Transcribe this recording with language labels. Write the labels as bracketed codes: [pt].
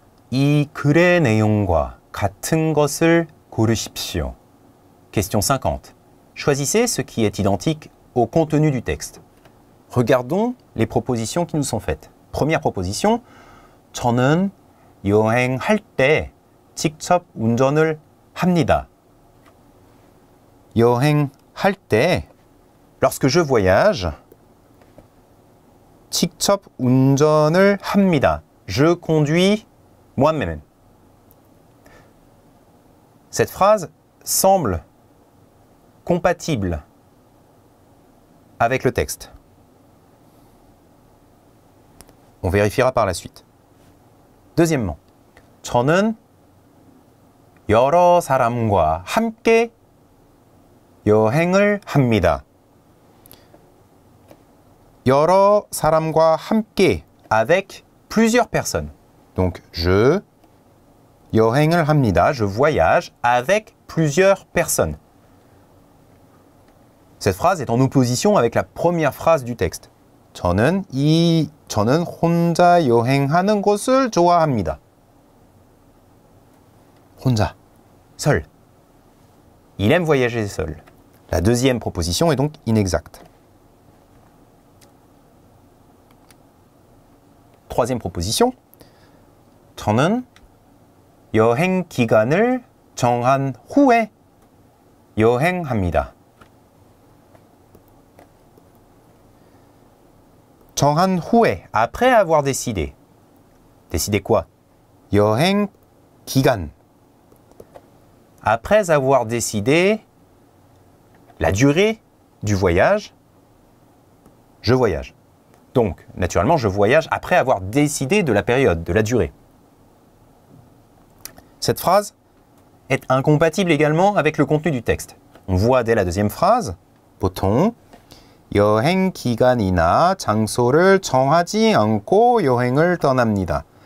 [ko] 이 글의 내용과 같은 것을 고르십시오. [fr] Question 50. Choisissez ce qui est identique au contenu du texte. Regardons les propositions qui nous sont faites. Première proposition. [ko] 저는 여행할 때 직접 운전을 합니다. 여행할 때 [fr] Lorsque je voyage, [ko] 직접 운전을 합니다. [fr] Je conduis moi-même. Cette phrase semble compatible avec le texte. On vérifiera par la suite. Deuxièmement, [ko] 저는 여러 사람과 함께 여행을 합니다. 여러 사람과 함께 [fr] avec plusieurs personnes. Donc, je [ko] 여행을 합니다. [fr] Je voyage avec plusieurs personnes. Cette phrase est en opposition avec la première phrase du texte. [ko] 저는 혼자 여행하는 것을 좋아합니다. 혼자. [fr] Seul. Il aime voyager seul. La deuxième proposition est donc inexacte. Troisième proposition. [ko] 저는 여행 기간을 정한 후에 여행합니다. 정한 후에, [fr] après avoir décidé. Décidé quoi? [ko] 여행 기간. [fr] Après avoir décidé la durée du voyage, je voyage. Donc, naturellement, je voyage après avoir décidé de la période, de la durée. Cette phrase est incompatible également avec le contenu du texte. On voit dès la deuxième phrase, [ko] 보통 여행 기간이나 장소를 정하지 않고 여행을 떠납니다.